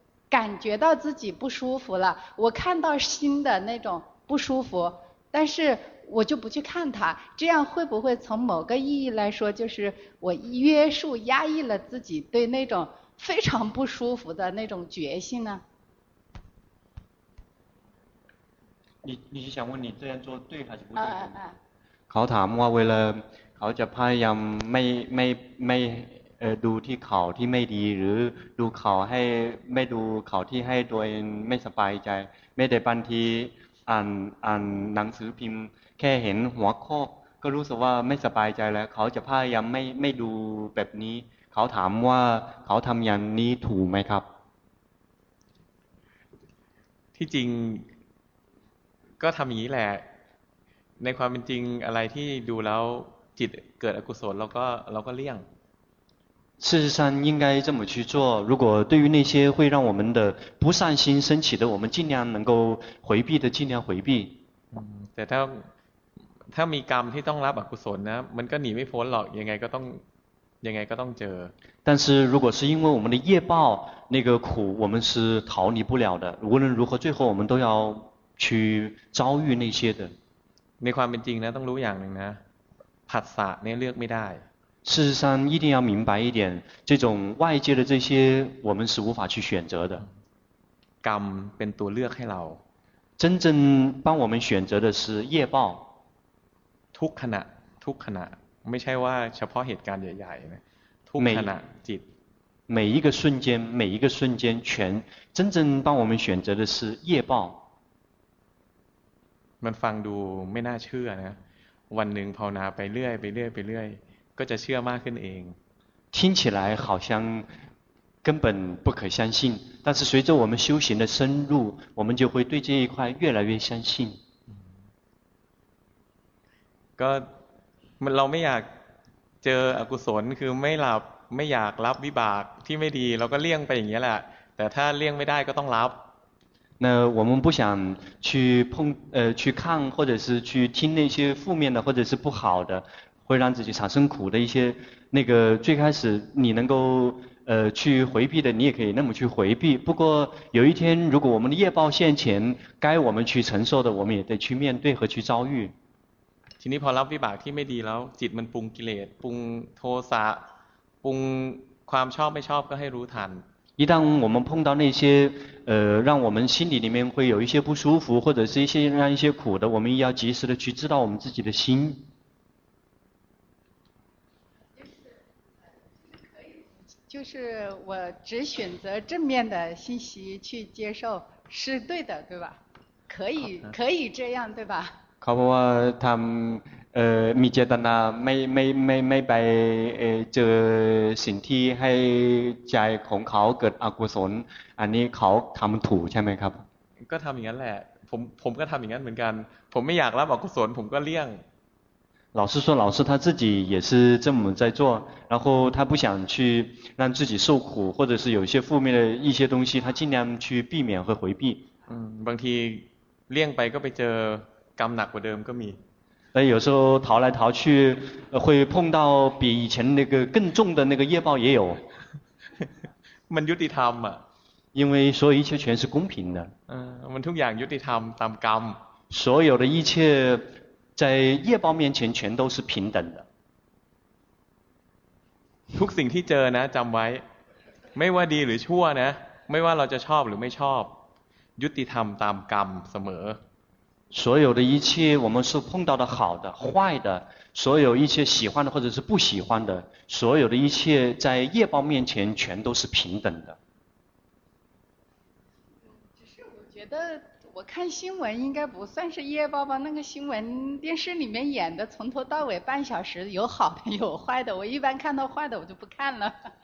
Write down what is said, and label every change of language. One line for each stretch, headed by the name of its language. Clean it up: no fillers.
Chinese: 感觉到自己不舒服了，我看到新的那种不舒服，但是我就不去看它，这样会不会从某个意义来说就是我约束压抑了自己对那种非常不舒服的那种决心呢？你是想问你这样做对还是不对？
Thai: เขาถามว่าเวลาเขาจะพยายามไม่ดูที่เขาที่ไม่ดีหรือดูเขาให้ไม่ดูเขาที่ให้ตัวเองไม่สบายใจไม่ได้บางทีอ่านหนังสือพิมพ์แค่เห็นหัวข้อก็รู้สึกว่าไม่สบายใจแล้วเขาจะพยายามไม่ดูแบบนี้เขาถามว่าเขาทำอย่างนี้ถูกไหมครับ ที่จริงก็ทำอย่างนี้แหละในความเป็นจริงอะไรที่ดูแล้วจิตเกิดอกุศลเราก็เลี่ยง
Chinese: 事实上应该这么去做，如果对于那些会让我们的不善心升起的，我们尽量能够回避的尽量回避。
Thai: แต่ถ้ามีกรรมที่ต้องรับอกุศลนะมันก็หนีไม่พ้นหรอกยังไงก็ต้องเจอ
Chinese: 但是如果是因为我们的业报那个苦我们是逃离不了的无论如何最后我们都要去遭遇那些的
Thai: ในความเป็นจริงนะต้องรู้อย่างนึงนะผัสสะเนี่ยเลือกไม่ได้
Chinese: 事实上一定要明白一点这种外界的这些我们是无法去选择的
Thai: กรรมเป็นตัวเลือกให้เรา
Chinese: 真正帮我们选择的是业报
Thai: ทุกขณะไม่ใช่ว่าเฉพาะเหตุการณ์ใหญ่ๆนะทุกขณะจิต
Chinese: 每一个瞬间每一个瞬间全真正帮我们选择的是业报
Thai: มันฟังดูไม่น่าเชื่อนะวันหนึ่งภาวนาไปเรื่อยไปเรื่อยไปเรื่อยก็จะเชื่อมากขึ้นเอง
Chinese: 听起来好像根本不可相信但是随着我们修行的深入我们就会对这一块越来越相信
Thai: ก็เราไม่อยากเจออกุศลคือไม่หลับไม่อยากรับวิบากที่ไม่ดีเราก็เลี่ยงไปอย่างนี้แหละแต่ถ้าเลี่ยงไม่ได้ก็ต้องรับ
Chinese: 那我们不想去碰去看或者是去听那些负面的或者是不好的会让自己产生苦的一些那个最开始你能够去回避的你也可以那么去回避不过有一天如果我们的业报现前该我们去承受的我们也得去面对和去遭遇
Thai: ทีนี้พอรับวิบากที่ไม่ดีแล้วจิตมันปรุงกิเลสปรุงโทสะปรุงความชอบไม่ชอบก็ให้รู้ทัน
Chinese: 一旦我们碰到那些让我们心里面会有一些不舒服或者是一些让一些苦的我们要及时的去知道我们自己的心就是我只选择正面的信息去接受是对的对吧可以这样对吧
Thai: เขาบอกว่าทำมีเจตนาไม่ไปเจอสิ่งที่ให้ใจของเขาเกิดอกุศลอันนี้เขาทำถูกใช่ไหมครับ ก็ทำอย่างนั้นแหละผมก็ทำอย่างนั้นเหมือนกันผมไม่อยากรับอกุศลผมก็เลี่ยง
Chinese: 老师说老师他自己也是这么在做然后他不想去让自己受苦或者是有些负面的一些东西他尽量去避免和回避
Thai: บางทีเลี่ยงไปก็ไปเจอกรรมหนักกว่าเดิมก็มี แต่
Chinese: 有时候逃来逃去会碰到比以前那个更重的那个业报也有
Thai: มันยุติธรรมอ่ะ
Chinese: 因为所有一切全是公平的
Thai: มันทุกอย่างยุติธรรมตามกรรม
Chinese: 所有的一切在业报面前全都是平等的。
Thai: ทุกสิ่งที่เจอนะจำไว้ไม่ว่าดีหรือชั่วนะไม่ว่าเราจะชอบหรือไม่ชอบยุติธรรมตามกรรมเสม
Chinese: อ所有的一切我们是碰到的好的坏的所有一切喜欢的或者是不喜欢的所有的一切在业报面前全都是平等的只是我觉得我看新闻应该不算是业报吧那个新闻电视里面演的从头到尾半小时有好的有坏的我一般看到坏的我就不看了